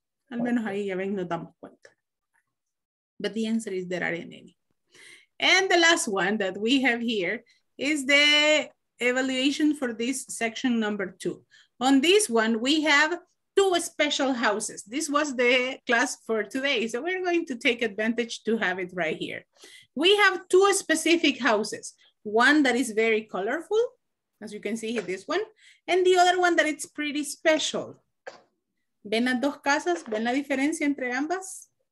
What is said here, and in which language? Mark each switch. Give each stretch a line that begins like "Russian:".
Spanish: Al menos ahí ya ven, nos damos cuenta.
English: But the answer is there aren't any. And the last one that we have here is the evaluation for this section number 2. On this one, we have 2 special houses. This was the class for today. So we're going to take advantage to have it right here. We have 2 specific houses. One that is very colorful, as you can see here, this one. And the other one that it's pretty special.
Spanish: ¿Ven las dos casas? ¿Ven la diferencia entre ambas?